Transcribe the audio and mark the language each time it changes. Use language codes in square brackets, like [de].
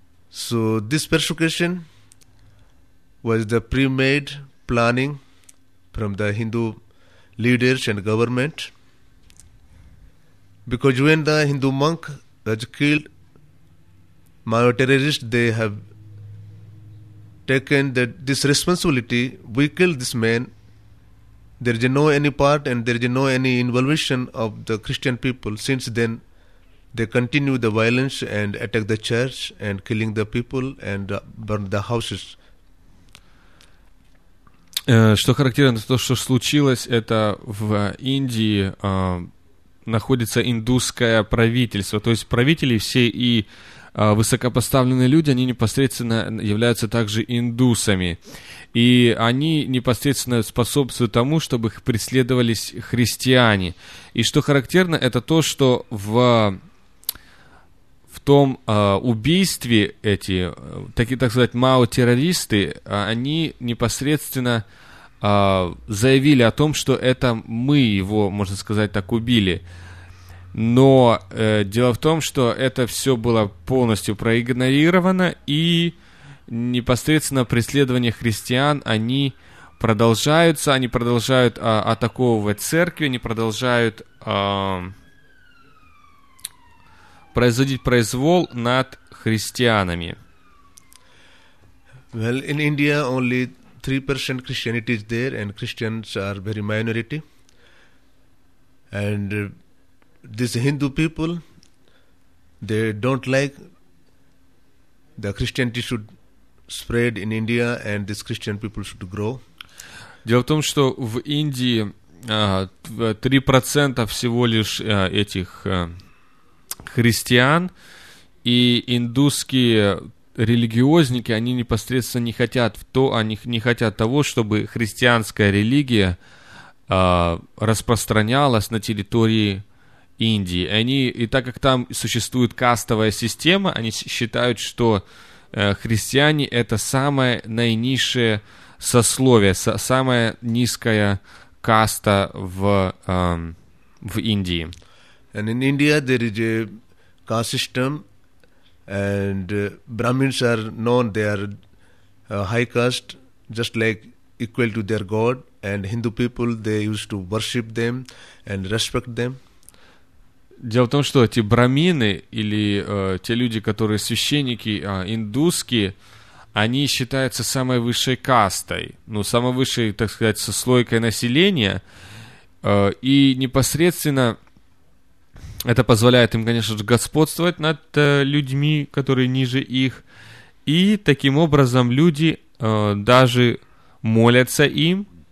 [en] So, this persecution was the pre-made planning from the Hindu leaders and government, because when the Hindu monk was killed, Mao terrorists, they have taken this responsibility. We killed this man, there is no any part and there is no any involvement of the Christian people. Since then, they continue the violence and attack the church and killing the people and burn the houses. [ru] Что характерно, то, что случилось, это в Индии находится индусское правительство, то есть правители все и высокопоставленные люди, они непосредственно являются также индусами, и они непосредственно способствуют тому, чтобы их преследовались христиане. И что характерно, это то, что в том убийстве эти, такие, так сказать, мао-террористы, они непосредственно заявили о том, что это мы его, можно сказать, так убили. Но дело в том, что это все было полностью проигнорировано, и непосредственно преследования христиан, они продолжаются, они продолжают атаковывать церкви, они продолжают производить произвол над христианами. [en] Well, in India only 3% Christianity is there, and Christians are very minority. And these Hindu people, they don't like the Christianity should spread in India, and these Christian people should grow. [ru] Дело в том, что в Индии 3% всего лишь этих христиан, и индусские религиозники, они непосредственно не хотят того, чтобы христианская религия распространялась на территории Индии. Они, и так как там существует кастовая система, они считают, что христиане — это самое наинизшее сословие, самая низкая каста в Индии. [en] And in India there is a caste system, and Brahmins are known, they are high caste, just like equal to their god, and Hindu people, they used to worship them and respect them. [ru] Дело в том, что эти брамины, или те люди, которые священники индусские, они считаются самой высшей кастой, ну, самой высшей, так сказать, сослойкой населения, и непосредственно это позволяет им, конечно же, господствовать над людьми, которые ниже их, и таким образом люди даже молятся им.